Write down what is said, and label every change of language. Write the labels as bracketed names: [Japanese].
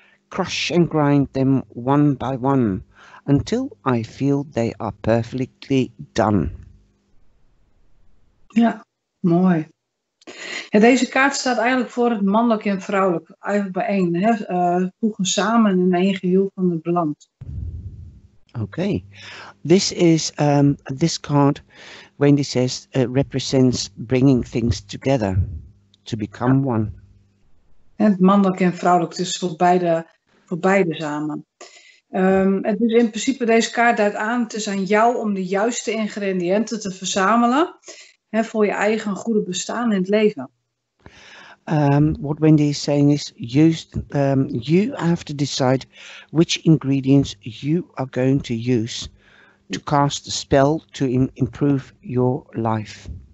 [English] Crush and grind them one by one until I feel they are perfectly done. [Dutch] Ja, mooi. Ja, deze kaart staat eigenlijk voor het mannelijk en vrouwelijk. Eigenlijk bijeen. Voegen samen in een geheel van het beland. [English] Okay. This is this card, Wendy says, represents bringing things together to become one. [Dutch] Het mannelijk en vrouwelijk, dus voor beide samen. Het is in principe deze kaart duidt aan, het is aan jou om de juiste ingrediënten te verzamelen. He, voor je eigen goede bestaan in het leven. [English] What Wendy is saying is, you have to decide which ingredients you are going to use to cast a spell to improve your life.